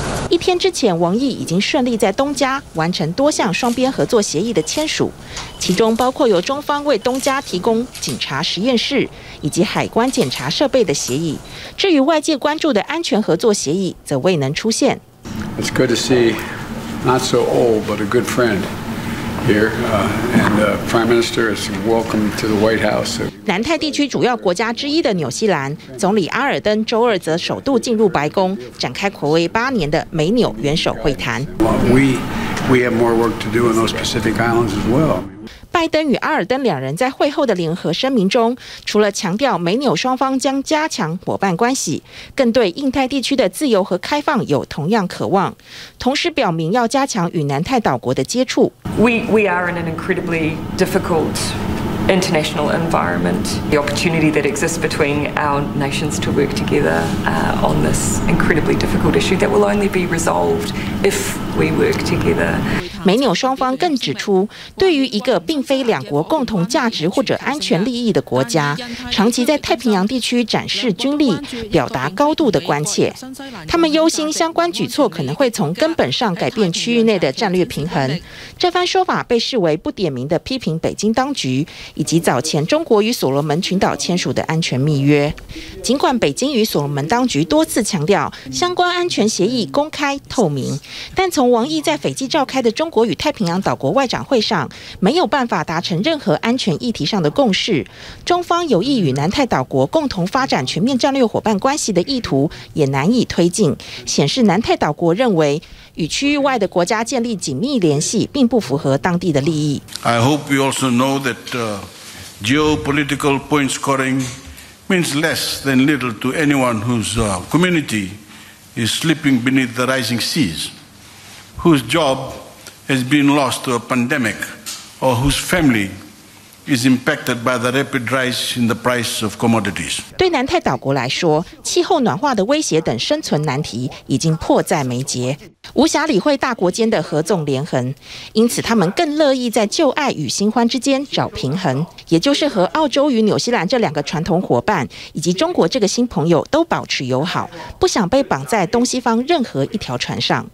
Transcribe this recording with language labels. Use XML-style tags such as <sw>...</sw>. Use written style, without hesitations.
<zh>一天之前，王毅已经顺利在东加完成多项双边合作协议的签署，其中包括由中方为东加提供警察实验室以及海关检查设备的协议。至于外界关注的安全合作协议，则未能出现。</zh> <en>It's good to see not so old but a good friend.</en> <zh>南太地区主要国家之一的纽西兰总理阿尔登周二则首度进入白宫，展开暌违八年的美纽元首会谈。</zh> <en>We have more work to do in those Pacific islands as well.</en> <zh>拜登与阿尔登两人在会后的联合声明中，除了强调美纽双方将加强伙伴关系，更对印太地区的自由和开放有同样渴望，同时表明要加强与南太岛国的接触。</zh> <en>We are in an incredibly difficult international environment. The opportunity that exists between our nations to work together on this incredibly difficult issue that will only be resolved if we work together.</en> <zh>美纽双方更指出，对于一个并非两国共同价值或者安全利益的国家，长期在太平洋地区展示军力，表达高度的关切。他们忧心相关举措可能会从根本上改变区域内的战略平衡。这番说法被视为不点名的批评北京当局，以及早前中国与所罗门群岛签署的安全密约。尽管北京与所罗门当局多次强调相关安全协议公开透明，但从王毅在斐济召开的中国与太平洋岛国外长会上没有办法达成任何安全议题上的共识，中方有意与南太岛国共同发展全面战略伙伴关系的意图也难以推进，显示南太岛国认为与区域外的国家建立紧密联系并不符合当地的利益。</zh> <en>I hope you also know that geopolitical point scoring means less than little to anyone whose community is sleeping beneath the rising seas, whose jobhas been lost to a pandemic, or whose family is impacted by the rapid rise in the price of commodities.</en> <zh>对南太岛国来说，气候暖化的威胁等生存难题已经迫在眉睫，无暇理会大国间的合纵连横，因此他们更乐意在旧爱与新欢之间找平衡，也就是和澳洲与纽西兰这两个传统伙伴以及中国这个新朋友都保持友好，不想被绑在东西方任何一条船上。</zh>